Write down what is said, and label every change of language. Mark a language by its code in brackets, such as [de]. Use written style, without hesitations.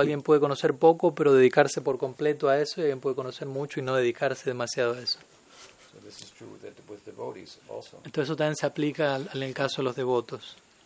[es] Alguien puede conocer poco, pero dedicarse por completo a eso, y alguien puede conocer mucho y no dedicarse demasiado a eso. [en] So this is true that with devotees also. [es] Entonces eso también se aplica en el caso de los devotos.